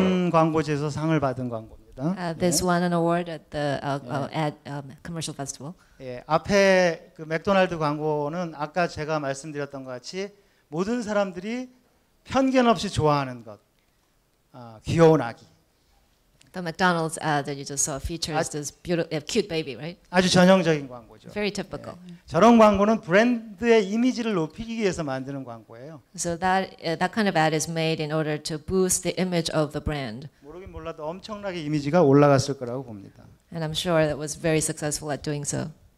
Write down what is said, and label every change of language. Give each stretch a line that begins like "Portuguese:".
Korean: 광고지에서 상을 받은 광고입니다.
English: This won an award at the commercial festival.
Korean: 예, 앞에 그 맥도날드 광고는 아까 제가 말씀드렸던 것 같이 모든 사람들이 편견 없이 좋아하는 것, 귀여운 아기.
English: The McDonald's ad that you just saw features this beautiful, cute baby, right?
Korean: 아주 전형적인 광고죠.
English: Very typical.
Korean: 예, 저런 광고는 브랜드의 이미지를 높이기 위해서 만드는 광고예요.
English: So that kind of ad is made in order to boost the image of the brand.
Korean: 모르긴 몰라도 엄청나게 이미지가 올라갔을 거라고 봅니다.
English: And I'm sure that was very successful at doing so.